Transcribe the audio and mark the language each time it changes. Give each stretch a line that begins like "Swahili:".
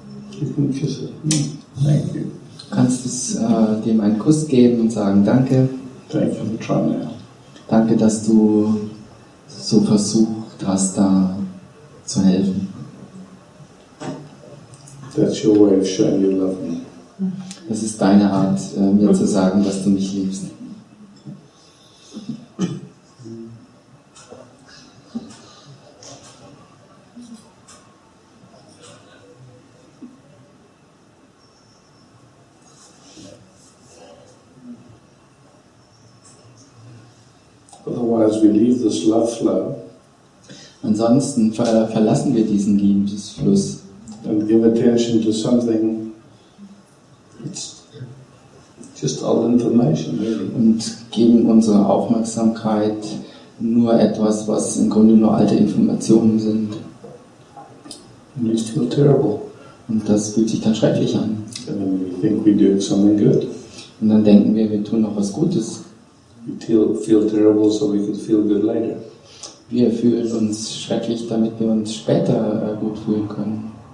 English: You can kiss it. Thank you.
German: Kannst du dem einen Kuss geben und sagen Danke?
English: Thank you for trying now.
German: Danke, dass du so versucht hast, da zu helfen.
English: That's your way of showing you love me.
German: Das ist deine Art, mir zu sagen, dass du mich liebst.
English: Otherwise we leave this love flow.
German: Ansonsten verlassen wir diesen Liebesfluss.
English: and give attention to something, it's just all information, really.
German: Und geben unsere Aufmerksamkeit nur etwas, was im Grunde nur alte Informationen sind.
English: And you feel terrible.
German: Und das fühlt sich dann schrecklich an.
English: And then we think we're doing something good.
German: Und dann denken wir, wir tun noch was Gutes.
English: We feel terrible, so we can feel good later.
German: Wir fühlen uns schrecklich, damit wir uns später gut fühlen können.